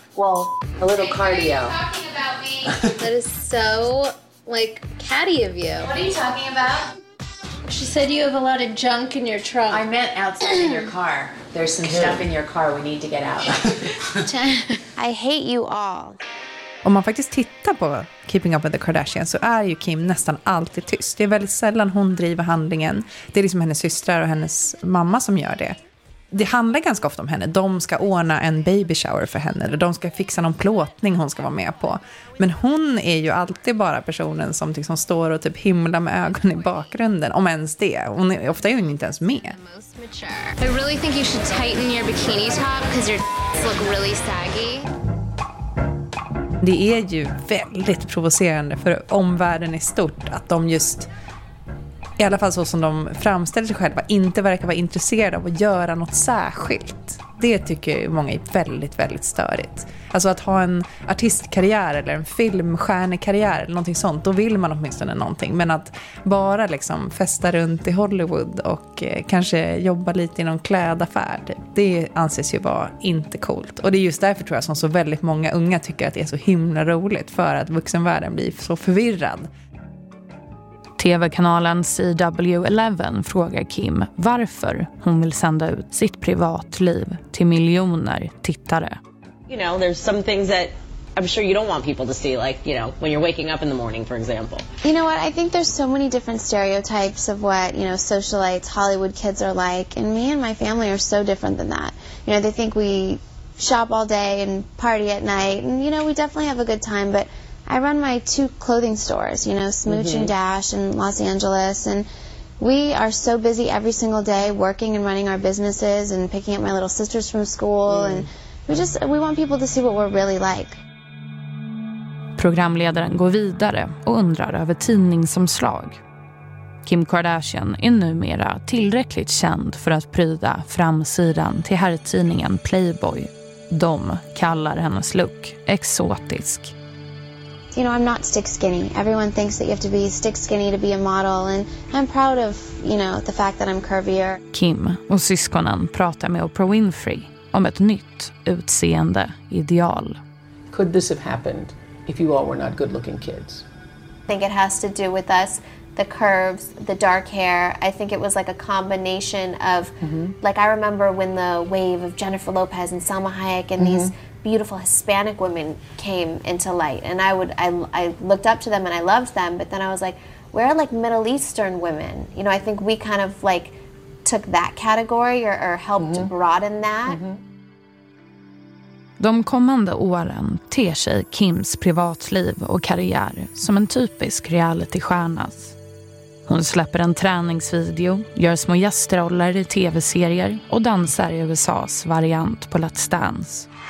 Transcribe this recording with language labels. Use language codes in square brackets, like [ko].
[en] Well, a little cardio. What are you talking about, me? That is so, like, catty of you. What are you talking about? She said you have a lot of junk in your trunk. I meant outside in your car. There's some stuff in your car we need to get out. I hate you all. [sv] Om man faktiskt tittar på Keeping Up with the Kardashians så är ju Kim nästan alltid tyst. Det är väldigt sällan hon driver handlingen. Det är liksom hennes systrar och hennes mamma som gör det. Det handlar ganska ofta om henne. De ska ordna en baby shower för henne. Eller de ska fixa någon plåtning hon ska vara med på. Men hon är ju alltid bara personen som liksom står och typ himlar med ögonen i bakgrunden. Om ens det. Hon är, ofta är hon inte ens med. [en] I really think you should tighten your bikini top because your d*** look really saggy. [sv] Det är ju väldigt provocerande för omvärlden är stort att de just, i alla fall så som de framställer sig själva, inte verkar vara intresserade av att göra något särskilt. Det tycker många är väldigt, väldigt störigt. Alltså att ha en artistkarriär eller en filmstjärnekarriär eller någonting sånt, då vill man åtminstone någonting. Men att bara liksom festa runt i Hollywood och kanske jobba lite i någon klädaffär, det anses ju vara inte coolt. Och det är just därför tror jag som så väldigt många unga tycker att det är så himla roligt, för att vuxenvärlden blir så förvirrad. TV-kanalen CW11 frågar Kim varför hon vill sända ut sitt privatliv till miljoner tittare. [en] You know, there's some things that I'm sure you don't want people to see, like, you know, when you're waking up in the morning, for example. You know what? I think there's so many different stereotypes of what, you know, socialites, Hollywood kids are like, and me and my family are so different than that. You know, they think we shop all day and party at night, and you know, we definitely have a good time, but I run my two clothing stores, you know, Smooch and Dash in Los Angeles, and we are so busy every single day working and running our businesses and picking up my little sisters from school and we want people to see what we're really like. [sv] Programledaren går vidare och undrar över tidningsomslag. Kim Kardashian är numera tillräckligt känd för att pryda framsidan till herrtidningen Playboy. De kallar hennes look exotisk. [en] You know, I'm not stick skinny. Everyone thinks that you have to be stick skinny to be a model, and I'm proud of, you know, the fact that I'm curvier. [sv] Kim och syskonen pratar med Oprah Winfrey om ett nytt utseende ideal. [en] Could this have happened if you all were not good-looking kids? I think it has to do with us, the curves, the dark hair. I think it was like a combination of like, I remember when the wave of Jennifer Lopez and Salma Hayek and these beautiful Hispanic women came into light, and I looked up to them and I loved them, but then I was like, where are like Middle Eastern women? You know, I think we kind of like took that category or helped broaden that. [sv] De kommande åren ter sig Kims privatliv och karriär som en typisk realitystjärnas. Hon släpper en träningsvideo, gör små gästroller i tv-serier och dansar i USA:s variant på Let's Dance.